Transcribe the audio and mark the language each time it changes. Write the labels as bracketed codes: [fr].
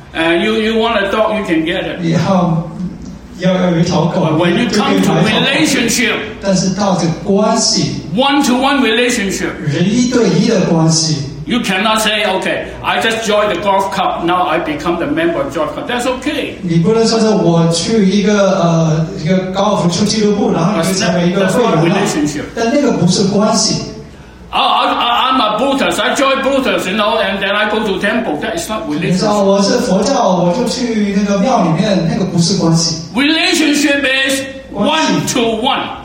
[en] And you want a dog, you can get it. [zh] 你要一条狗。 [en] When you come to relationship, [zh] 但是到这关系。 [en] One-to-one relationship. [zh] 人一对一的关系。 [en] You cannot say, okay, I just joined the golf club, now I become the member of the golf club. That's okay. [zh] 你不能说是我去一个高尔夫球俱乐部，然后你就成为一个会员了。但那个不是关系。 [en] I'm a Buddhist. I join Buddhists, you know, and then I go to temple. That is not relationship. [zh] 你知道我是佛教，我就去那个庙里面，那个不是关系。 [en] Relationship is one-to-one.